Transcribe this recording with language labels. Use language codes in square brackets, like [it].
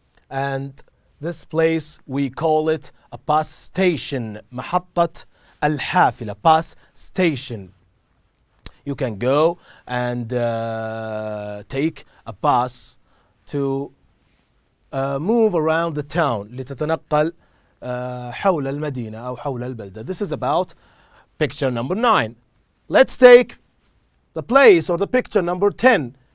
[en] And this place, we call it a bus station. [ar] محطة الحافلة, bus station. [en] You can go and take a bus to move around the town. [ar] لتتنقل حول المدينة أو حول البلدة. [en] This is about picture number 9. Let's take the place or the picture number 10.